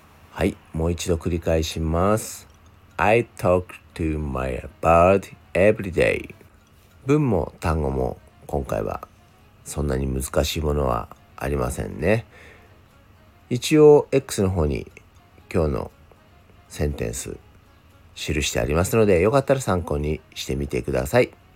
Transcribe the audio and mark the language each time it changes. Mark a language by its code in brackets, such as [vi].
[ja] はい、もう一度繰り返します。 [en] I talk to my bird every day. [ja] 文も単語も今回はそんなに難しいものはありませんね。一応 X の方に今日のセンテンス記してありますので、よかったら参考にしてみてください。